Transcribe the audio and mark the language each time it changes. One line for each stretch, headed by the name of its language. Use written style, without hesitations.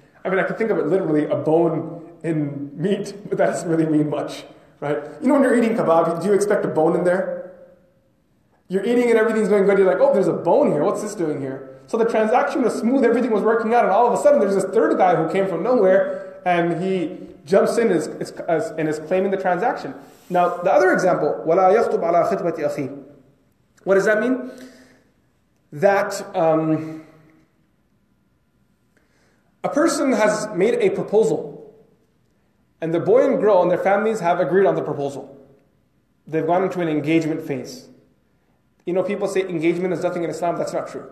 English: I mean, I can think of it literally, a bone in meat, but that doesn't really mean much, right? You know when you're eating kebab, do you expect a bone in there? You're eating and everything's going good, you're like, oh, there's a bone here, what's this doing here? So the transaction was smooth, everything was working out, and all of a sudden there's this third guy who came from nowhere, and he jumps in and is claiming the transaction. Now, the other example,
Arabic: وَلَا يَخْطُبْ عَلَىٰ خِطْبَةِ أَخِي.
English: What does that mean? That a person has made a proposal, and the boy and girl and their families have agreed on the proposal. They've gone into an engagement phase. You know, people say engagement is nothing in Islam. That's not true.